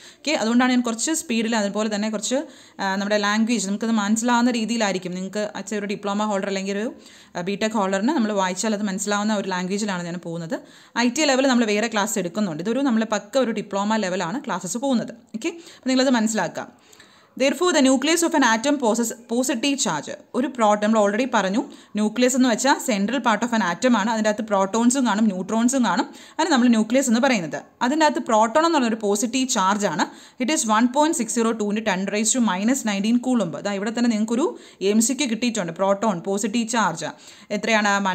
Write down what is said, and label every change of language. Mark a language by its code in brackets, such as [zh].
[ml] Okay, അതുകൊണ്ടാണ് ഞാൻ കുറച്ച് സ്പീഡിൽ, അതുപോലെ തന്നെ കുറച്ച് നമ്മുടെ ലാംഗ്വേജ് നമുക്കത് മനസ്സിലാവുന്ന രീതിയിലായിരിക്കും. നിങ്ങൾക്ക് അച്ഛൻ ഒരു ഡിപ്ലോമ ഹോൾഡർ അല്ലെങ്കിൽ ഒരു BTech ഹോൾഡറിന് നമ്മൾ വായിച്ചാൽ അത് മനസ്സിലാവുന്ന ഒരു ലാംഗ്വേജിലാണ് ഞാൻ പോകുന്നത്. IT ലെവൽ നമ്മൾ വേറെ ക്ലാസ് എടുക്കുന്നുണ്ട്. ഇതൊരു നമ്മൾ പക്ക ഒരു ഡിപ്ലോമ ലെവലാണ് ക്ലാസ്സസ് പോകുന്നത്. ഓക്കെ, അപ്പോൾ നിങ്ങളത് മനസ്സിലാക്കാം. [en] Therefore, the nucleus of an atom possesses positive charge. [ml] ഒരു പ്രോട്ടോൺ, നമ്മൾ ഓൾറെഡി പറഞ്ഞു, ന്യൂക്ലിയസ് എന്ന് വെച്ചാൽ [en] central part of an atom [ml] ആണ്. അതിൻ്റെ അകത്ത് പ്രോട്ടോൺസും കാണും, ന്യൂട്രോൺസും കാണും, അതിന് നമ്മൾ ന്യൂക്ലിയസ് എന്ന് പറയുന്നത്. അതിൻ്റെ അകത്ത് പ്രോട്ടോൺ എന്ന് പറഞ്ഞൊരു പോസിറ്റീവ് ചാർജ് ആണ്. [en] It is 1.602×10⁻¹⁹ coulomb. [ml] അതാ ഇവിടെ തന്നെ നിങ്ങൾക്കൊരു MCQ കിട്ടിയിട്ടുണ്ട്. പ്രോട്ടോൺ പോസിറ്റീവ് ചാർജ് എത്രയാണ്?